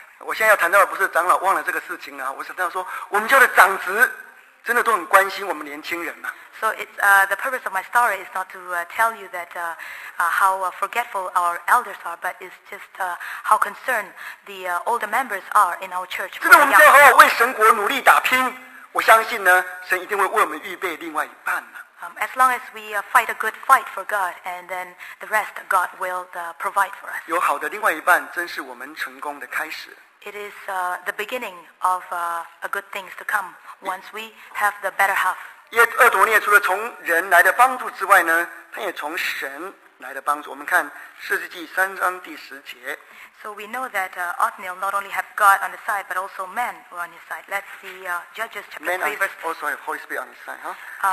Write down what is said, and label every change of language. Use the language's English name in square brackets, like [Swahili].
[Chinese] 我现在要谈到的不是长老忘了这个事情啊，我想到说我们家的长子真的都很关心我们年轻人嘛。 [English] So it's the purpose of my story is not to tell you that how forgetful our elders are, but it's just how concerned the older members are in our church. [Chinese] 真的，我们要好好为神国努力打拼。我相信呢，神一定会为我们预备另外一半。 [English] As long as we fight a good fight for God, and then the rest God will provide for us. [Chinese] 有好的另外一半，真是我们成功的开始。 [English] It is the beginning of a good things to come once we have the better half. [Chinese] 因为厄多涅除了从人来的帮助之外呢，他也从神来的帮助。我们看士师记三章第十节。 [English] So we know that Othniel not only have God on his side, but also men were on his side. Let's see Judges chapter men 3 verse 10. Also have Holy Spirit on his side, huh?